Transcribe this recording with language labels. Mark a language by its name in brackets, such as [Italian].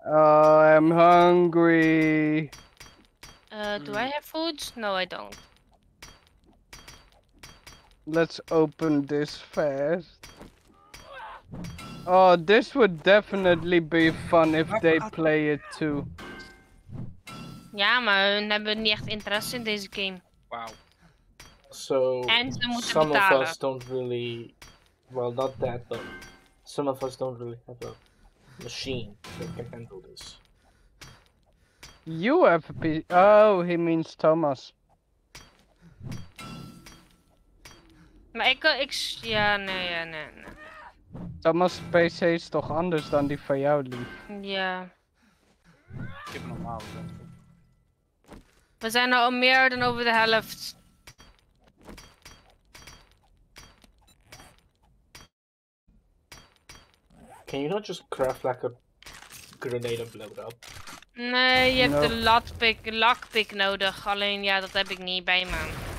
[English] I'm hungry. Do I have food? No, I don't. Let's open this fast. Oh, this would definitely be fun if they play it too. [Dutch] Yeah, maar we hebben niet echt interesse in deze game. [English] Wow. So, some of us don't really... Well, not that, but... Some of us don't really have a machine that can handle this. You have a Oh, he means Thomas. [Dutch] Maar ik... Ja, nee. Thomas' PC is toch anders dan die van jou, lief? Ja. Ik heb een normaal. We zijn al meer dan over de helft. [English] Can you not just craft like a grenade and blow it up? [Dutch] Nee, je hebt een lockpick nodig. Alleen ja, dat heb ik niet bij me.